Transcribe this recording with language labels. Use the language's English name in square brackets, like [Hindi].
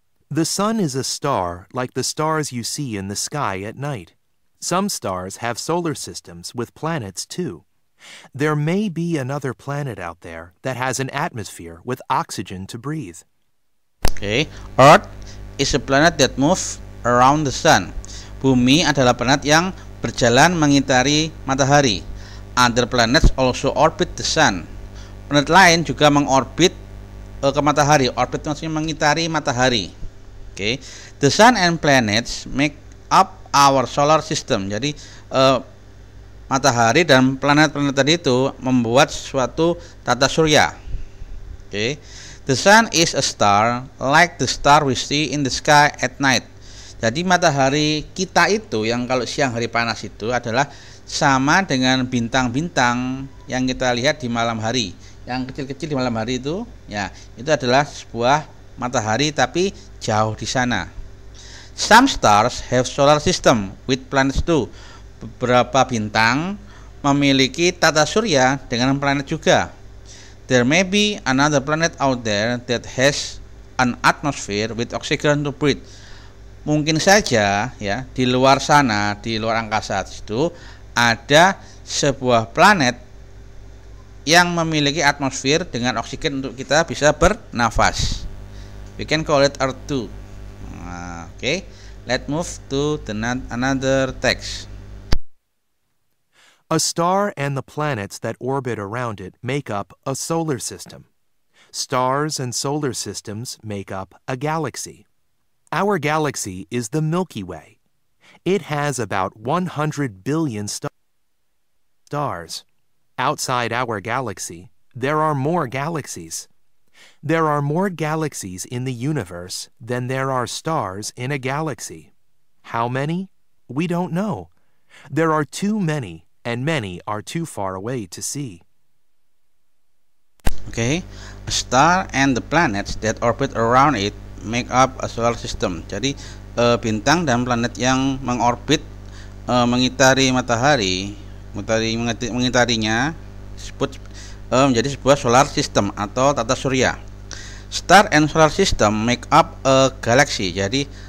[English] The sun is a star like the stars you see in the sky at night. Some stars have solar systems with planets too. There may be another planet out there that has an atmosphere with oxygen to breathe. Okay, Earth is a planet that moves around the sun. [Indonesian] Bumi adalah planet yang berjalan mengitari matahari. [English] Other planets also orbit the sun. [Indonesian] Planet lain juga mengorbit ke matahari. Orbit maksudnya mengitari matahari. [English] Okay. The sun and planets make up our solar system. [Indonesian] Jadi matahari dan planet-planet tadi itu membuat suatu tata surya. Okay. [English] The sun is a star like the star we see in the sky at night. [Indonesian] Jadi matahari kita itu yang kalau siang hari panas itu adalah sama dengan bintang-bintang yang kita lihat di malam hari. Yang kecil-kecil di malam hari itu, ya, itu adalah sebuah matahari tapi jauh di sana. [English] Some stars have solar system with planets too. [Indonesian] Beberapa bintang memiliki tata surya dengan planet juga. [English] There may be another planet out there that has an atmosphere with oxygen to breathe. [Indonesian] Mungkin saja ya di luar sana, di luar angkasa itu ada sebuah planet yang memiliki atmosfer dengan oksigen untuk kita bisa bernafas. [English] We can call it Earth 2. Okay, let's move to another text. A star and the planets that orbit around it make up a solar system. Stars and solar systems make up a galaxy. Our galaxy is the Milky Way. It has about 100 billion stars. Outside our galaxy, there are more galaxies. There are more galaxies in the universe than there are stars in a galaxy. How many? We don't know. There are too many, and many are too far away to see. Okay, a star and the planets that orbit around it make up a solar system. [Indonesian] Jadi, bintang dan planet yang mengorbit, mengitari matahari, mengitarinya, disebut menjadi sebuah solar system atau tata surya. [English] Star and solar system make up a galaxy. [Indonesian] Jadi